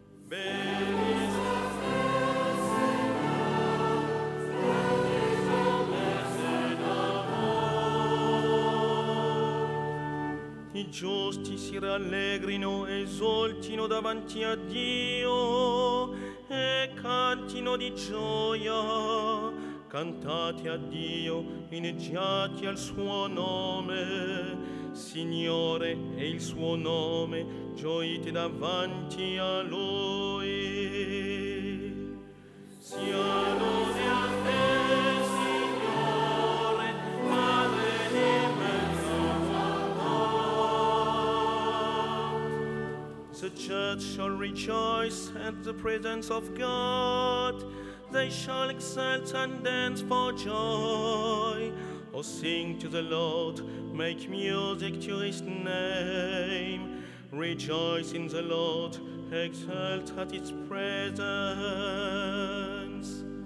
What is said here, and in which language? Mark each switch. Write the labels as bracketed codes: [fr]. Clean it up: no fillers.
[fr] Béni soit le Seigneur, Dieu des hommes et d'amour. [it] I giusti si rallegrino, esultino davanti a Dio. E cantino di gioia, cantate a Dio, inneggiate al suo nome, Signore è il suo nome, gioite davanti a Lui. Sia lode a te, Signore, Padre di mezzo amore. [en] The church shall rejoice at the presence of God, they shall exult and dance for joy. Oh, sing to the Lord, make music to His name. Rejoice in the Lord, exult at His presence.